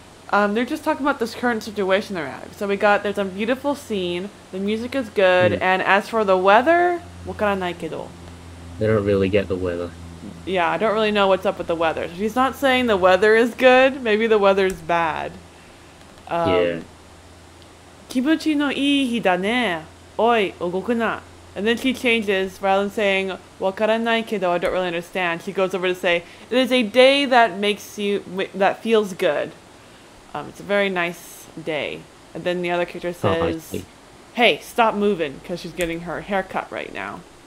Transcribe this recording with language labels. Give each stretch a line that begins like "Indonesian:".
English: They're just talking about this current situation they're at. So there's a beautiful scene, the music is good, and as for the weather,
Japanese: わからないけど.
English: They don't really get the weather. Yeah, I don't really know what's up with the weather. She's not saying the weather is good, maybe the weather is bad. Yeah.
Japanese: 気持ちのいい日だね。おい、動くな。
English: And then she changes, rather than saying,
Japanese: わからないけど,
English: I don't really understand. She goes over to say, it is a day that makes you, that feels good. It's a very nice day. And then the other character says, hey, stop moving, because she's getting her hair cut right now.